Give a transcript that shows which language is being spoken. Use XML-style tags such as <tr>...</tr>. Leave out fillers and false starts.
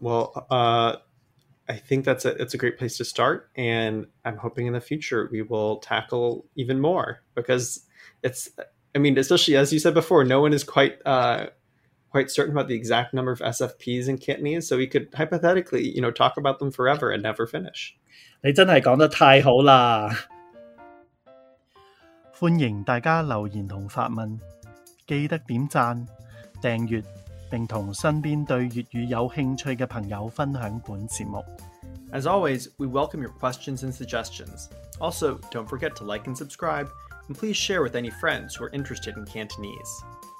<en>Well, I think that's a great place to start, and I'm hoping in the future we will tackle even more because especially as you said before, no one is quite certain about the exact number of SFPs in Cantonese, so we could hypothetically, you know, talk about them forever and never finish.</en> <yue>你真系讲得太好啦！欢迎大家留言同发问，记得点赞、订阅，并同身边对粤语有兴趣嘅朋友分享本节目。</yue> <en>As always, we welcome your questions and suggestions. Also, don't forget to like and subscribe, and please share with any friends who are interested in Cantonese.</en>